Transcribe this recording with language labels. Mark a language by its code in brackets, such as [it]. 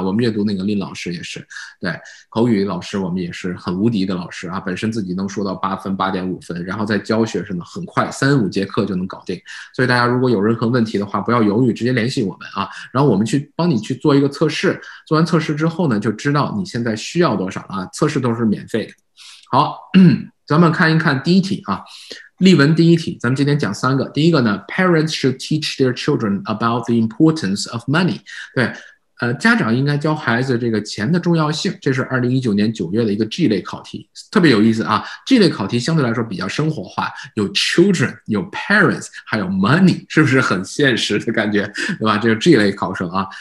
[zh] 我们阅读那个林老师也是，对，口语老师我们也是很无敌的老师啊，本身自己能说到8分、8.5分，然后再教学生呢，很快3、5节课就能搞定。所以大家如果有任何问题的话，不要犹豫，直接联系我们啊，然后我们去帮你去做一个测试，做完测试之后呢，就知道你现在需要多少啊？测试都是免费的。好，咱们看一看第一题啊，例文第一题，咱们今天讲三个。第一个呢， [en] Parents should teach their children about the importance of money。 [zh] 对，家长应该教孩子这个钱的重要性。这是2019年9月的一个 G 类考题，特别有意思啊。 G 类考题相对来说比较生活化，有 children，有 parents，还有 money，是不是很现实的感觉，对吧？这是 G 类考生啊。